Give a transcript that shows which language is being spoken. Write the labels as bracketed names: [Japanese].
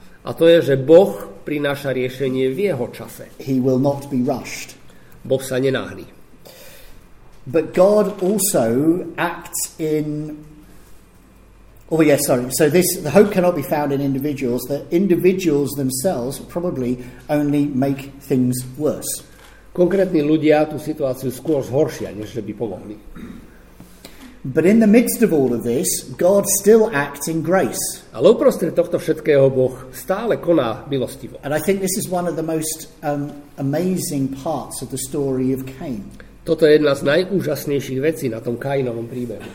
[Slovak] A to je, že Boh prináša riešenie v jeho čase. [English] He will not be rushed. [Slovak] Boh sa nenáhli. [English] But God also acts in... Oh yes, sorry. So this, the hope cannot be found in individuals. The individuals themselves probably only make things worse. [Slovak] Konkrétni ľudia tú situáciu skôr zhoršia, než že by pomohli. [English] But in the midst of all of this, God still acts in grace. [Slovak] Ale uprostred tohto všetkého Boh stále koná milostivo. [English] And I think this is one of the most amazing parts of the story of Cain. [Slovak] Toto je jedna z najúžasnejších vecí na tom Kainovom príbehu.